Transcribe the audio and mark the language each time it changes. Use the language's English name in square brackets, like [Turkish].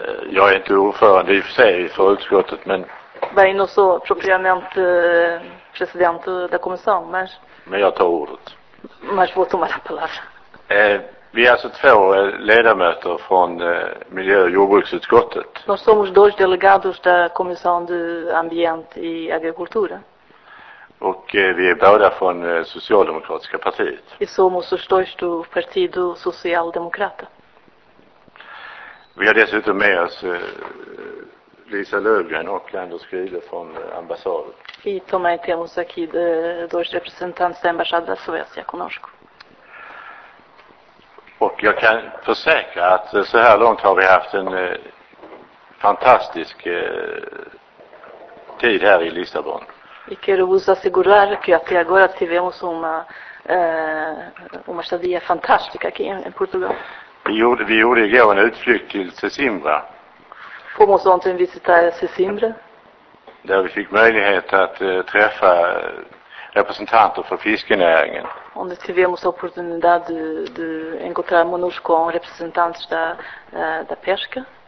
[Swedish] Jag är inte ordförande i och för sig för utskottet, men... Bara in och så [Portuguese] propriament president da comissão, mas... [Swedish] Men jag tar ordet. [Portuguese] Mas vou tomar a palavra. [Swedish] Vi är alltså två ledamöter från miljö- och jordbruksutskottet. [Portuguese] Nós somos dois delegados da Comissão de Ambiente e Agricultura. [Swedish] Och vi är båda från Socialdemokratiska partiet. [Portuguese] E somos os dois do Partido Social Democrata. [Swedish] Vi har dessutom med oss Lisa Löfgren och Anders Grille från ambassaden. [Portuguese] E também temos aqui dois representantes da Embaixada da Suécia conosco. [Swedish] Och jag kan försäkra att så här långt har vi haft en fantastisk tid här i Lissabon. [Portuguese] E quero vos assegurar que até agora tivemos uma estadia fantástica aqui em Portugal. [Swedish] Vi gjorde igår en utflykt till Sesimbra. [Portuguese] Fomos ontem visitar Sesimbra. [Swedish] Där vi fick möjlighet att träffa representanter för fiskenäringen. [Portuguese] Onde tivemos a oportunidade de encontrarmos-nos com representantes da pesca.